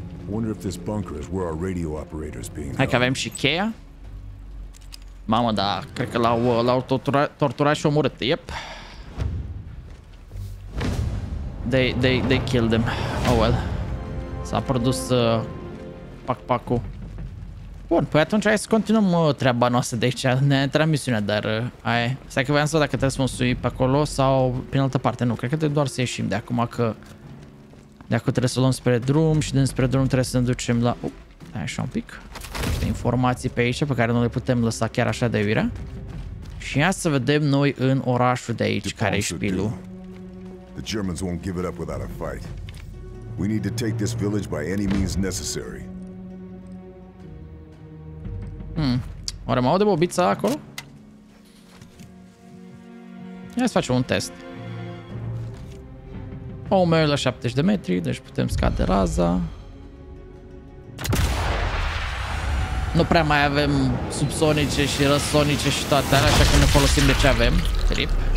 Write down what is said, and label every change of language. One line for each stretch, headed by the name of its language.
English: Wonder if this bunker is where our radio operators being.
Romanian: Hai că avem și cheia. Mamă, da, cred că l-au torturat și omorât.
English: Yep. They killed him. Oh well.
Romanian: S-a produs pac-pacul. Bun, păi atunci hai să continuăm treaba noastră de aici. Ne-a intrat misiunea, dar hai. Stai că voiam să văd dacă trebuie să mă sui pe acolo sau prin altă parte. Nu, cred că trebuie doar să ieșim de acum că... Dacă trebuie să luăm spre drum și din spre drum trebuie să ne ducem la... Hai așa un pic. Niște informații pe aici pe care nu le putem lăsa chiar așa de iurea. Și ia să vedem noi în orașul de aici care e șpilul.
English: The Germans won't give it up without a fight. We need to take this village by any means necessary.
Romanian: Oare mă aude bobița acolo? Ia să facem un test. O merg la 70 de metri, deci putem scade raza. Nu prea mai avem subsonice și răsonice și toate alea, așa că ne folosim de ce avem. Trip.